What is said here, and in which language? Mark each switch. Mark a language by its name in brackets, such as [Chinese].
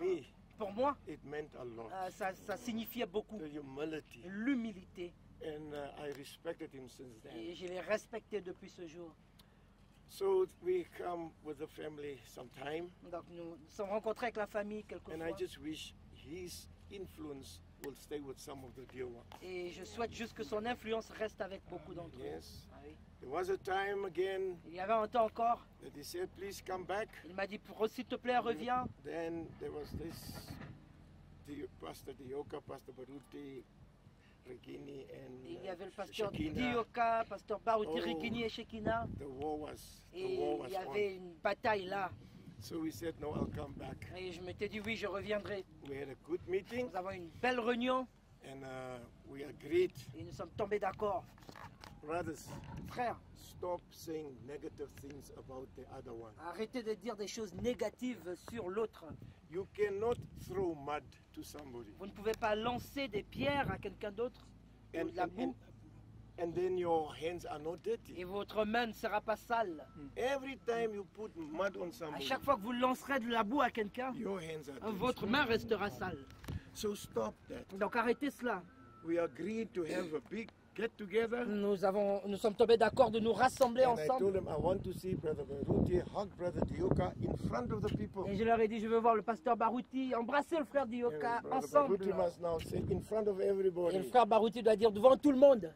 [English] To me, [French] pour moi, [English] it meant a lot. [French] Ça signifiait beaucoup. [English] The humility. [French] L'humilité. [English] And I respected him since then. [French] Et je l'ai respecté depuis ce jour. [English] So we come with the family sometime. [French] Donc nous sommes rencontrés avec la famille quelques [English] and [French] fois. [English] I just wish his influence will stay with some of the dear ones. [French] Et je souhaite juste que son influence reste avec beaucoup d'entre [English] yes. Yes. There was a time again. [French] Il y avait un temps encore. [English] That he said, please come back. [French] Il m'a dit pour s'il te plaît reviens. [English] Then there was this Pastor Dioka, Pastor Baruti, Regini and [French] il y avait le pasteur Dioka, pasteur Baruti, oh, Regini et Shekina. [English] The war was, the [French] et [English] war was [French] il y avait [English] on. [French] Une bataille là. [English] So we said, no, I'll come back. [French] Et je m'étais dit oui, je reviendrai. [English] We had a good meeting. [French] Nous avons une belle réunion. [English] And we agreed. [French] Et nous sommes tombés d'accord. [English] Brothers, [French] frères, [English] stop saying negative things about the other one. [French] Arrêtez de dire des choses négatives sur l'autre. [English] You cannot throw mud to somebody. [French] Vous ne pouvez pas lancer des pierres à quelqu'un d'autre [English] and, [French] ou de la boue. [English] And then your hands are not dirty. [French] Et votre main ne sera pas sale. [English] Every time you put mud on somebody, [French] à chaque fois que vous lancerez de la boue à quelqu'un, [English] your hands are [French] votre [English] dirty. [French] Main restera sale. [English] So stop that. [French] Donc arrêtez cela. [English] We agreed to have a big get together. [French] Nous sommes tombés d'accord de nous rassembler [English] and [French] ensemble. [English] I told him I want to see Brother Baruti hug Brother Dioka in front of the people. [French] Et je leur ai dit je veux voir le pasteur Baruti embrasser le frère Dioka ensemble. [English] Baruti must now say in front of everybody. [French] Et le frère Baruti doit dire devant tout le monde.